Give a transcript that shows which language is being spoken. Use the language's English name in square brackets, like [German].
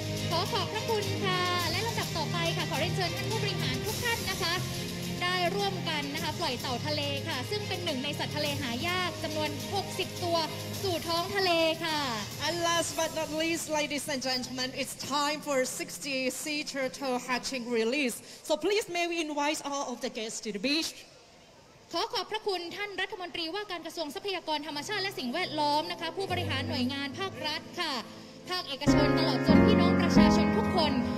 [Thai] ขอขอบพระคุณค่ะและลำดับต่อไปค่ะขอเรียนเชิญท่านผู้บริหารทุกท่านนะคะได้ร่วมกันนะคะปล่อยเต่าทะเลค่ะซึ่งเป็นหนึ่งในสัตว์ทะเลหายากจำนวน60ตัวสู่ท้องทะเลค่ะ [English] And last but not least ladies and gentlemen it's time for 60 sea turtle hatching release so please may we invite all of the guests to the beach [Thai] ขอขอบพระคุณท่านรัฐมนตรีว่าการกระทรวงทรัพยากรธรรมชาติและสิ่งแวดล้อมนะคะผู้บริหารหน่วยงานภาครัฐค่ะภาคเอกชนตลอดจนพี่น้องประชาชนทุกคน